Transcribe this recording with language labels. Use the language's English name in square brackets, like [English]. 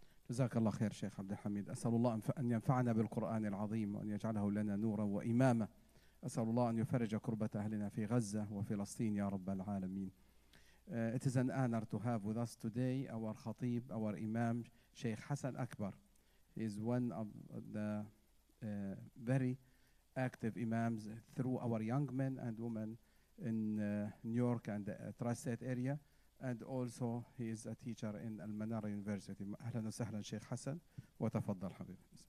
[Arabic] جزاك الله خير شيخ عبد الحميد. أسأل الله أن ينفعنا بالقرآن العظيم وأن يجعله لنا نورا وإماما. أسأل الله أن يفرج كربة أهلنا في غزة وفلسطين يا رب العالمين. [English] It is an honor to have with us today our khatib, our imam, Shaykh Hasan Akbar. He is one of the very active imams through our young men and women in New York and the tri-state area. And also he is a teacher in Al-Manara University. [Arabic] أهلاً وسهلاً شيخ حسن وتفضل حبيبي.